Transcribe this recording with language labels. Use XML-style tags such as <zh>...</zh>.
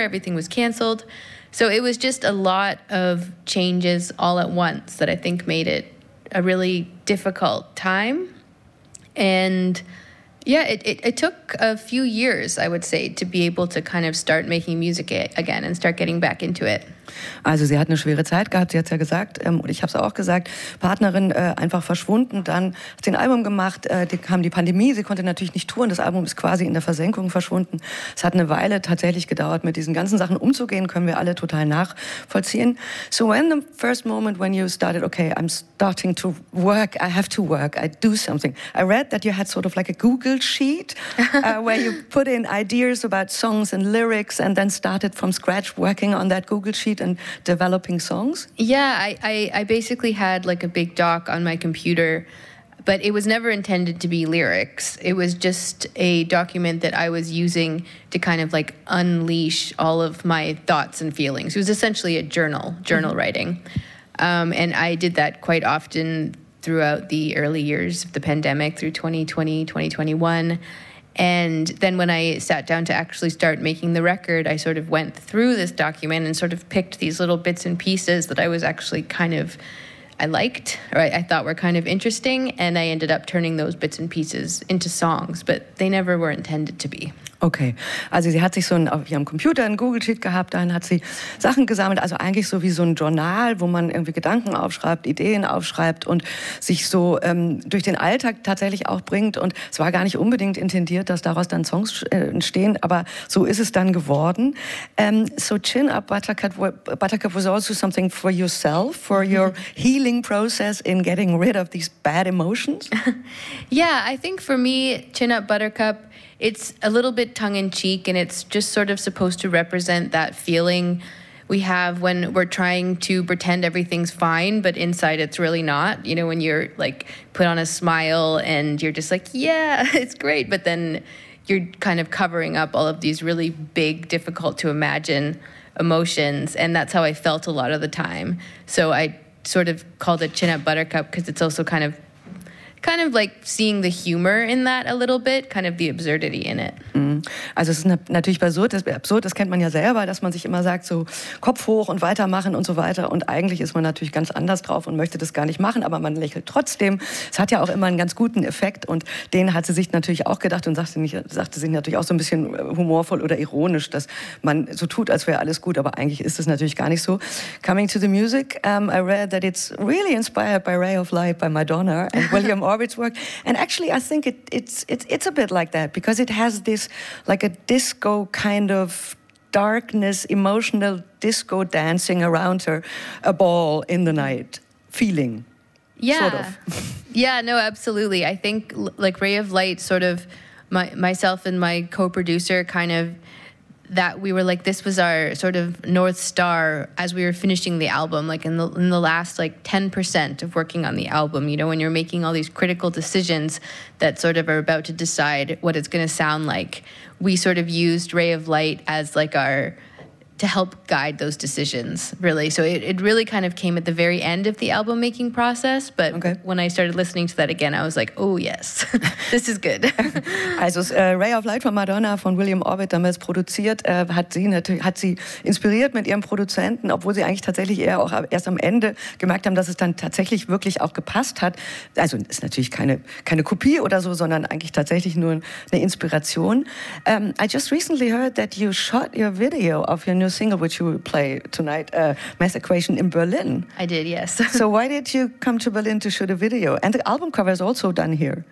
<en>Everything was canceled. So it was just a lot of changes all at once that I think made it a really difficult time. And yeah, it took a few years, I would say, to be able to kind of start making music again and start getting back into it.</en> <de>Also sie hat eine schwere Zeit gehabt, sie hat es ja gesagt, und ich habe es auch gesagt, Partnerin einfach verschwunden, dann hat sie ein Album gemacht, die kam die Pandemie, sie konnte natürlich nicht touren, das Album ist quasi in der Versenkung verschwunden. Es hat eine Weile tatsächlich gedauert, mit diesen ganzen Sachen umzugehen, können wir alle total nachvollziehen.</de> <en>So when the first moment when you started, okay, I'm starting to work, I have to work, I do something. I read that you had sort of like a Google sheet, where you put in ideas about songs and lyrics and then started from scratch working on that Google sheet. And developing songs? Yeah, I basically had like a big doc on my computer, but it was never intended to be lyrics. It was just a document that I was using to kind of like unleash all of my thoughts and feelings. It was essentially a journal mm-hmm. writing. And I did that quite often throughout the early years of the pandemic through 2020, 2021. And then when I sat down to actually start making the record, I sort of went through this document and sort of picked these little bits and pieces that I was actually kind of, I liked, or I thought were kind of interesting. And I ended up turning those bits and pieces into songs, but they never were intended to be.</en> <de>Okay, also sie hat sich so auf ihrem Computer ein Google Sheet gehabt, dann hat sie Sachen gesammelt, also eigentlich so wie so ein Journal, wo man irgendwie Gedanken aufschreibt, Ideen aufschreibt und sich so durch den Alltag tatsächlich auch bringt. Und es war gar nicht unbedingt intendiert, dass daraus dann Songs entstehen, aber so ist es dann geworden.</de> <en>So Chin Up Buttercup was also something for yourself, for your healing process in getting rid of these bad emotions? Yeah, I think for me, Chin Up Buttercup, it's a little bit tongue-in-cheek, and it's just sort of supposed to represent that feeling we have when we're trying to pretend everything's fine, but inside it's really not. You know, when you're like put on a smile and you're just like, yeah, it's great, but then you're kind of covering up all of these really big, difficult to imagine emotions, and that's how I felt a lot of the time. So I sort of called it Chin Up Buttercup because it's also kind of like seeing the humor in that a little bit, kind of the absurdity in it.</en> <de>Also es ist natürlich absurd, das kennt man ja selber, dass man sich immer sagt, so Kopf hoch und weitermachen und so weiter. Und eigentlich ist man natürlich ganz anders drauf und möchte das gar nicht machen, aber man lächelt trotzdem. Es hat ja auch immer einen ganz guten Effekt und den hat sie sich natürlich auch gedacht und sagte sich natürlich auch so ein bisschen humorvoll oder ironisch, dass man so tut, als wäre alles gut, aber eigentlich ist es natürlich gar nicht so.</de> <en>Coming to the music, I read that it's really inspired by Ray of Light by Madonna and William Orbit's work. And actually I think it's a bit like that because it has this like a disco kind of darkness, emotional disco dancing around her, a ball in the night feeling. Yeah. Sort of. Yeah, no, absolutely. I think like Ray of Light, sort of myself and my co-producer kind of that we were like, this was our sort of North Star as we were finishing the album, like in the last like 10% of working on the album, you know, when you're making all these critical decisions that sort of are about to decide what it's going to sound like. We sort of used Ray of Light as like our, to help guide those decisions, really. So it really kind of came at the very end of the album making process. But when I started listening to that again, I was like, oh yes, this is good.</en> <de>Also Ray of Light von Madonna, von William Orbit damals produziert, hat sie inspiriert mit ihrem Produzenten, obwohl sie eigentlich tatsächlich eher auch erst am Ende gemerkt haben, dass es dann tatsächlich wirklich auch gepasst hat. Also ist natürlich keine Kopie oder so, sondern eigentlich tatsächlich nur eine Inspiration.</de> <en>I just recently heard that you shot your video of your new single, which you will play tonight, Math Equation, in Berlin. I did, yes. So why did you come to Berlin to shoot a video? And the album cover is also done here.</en>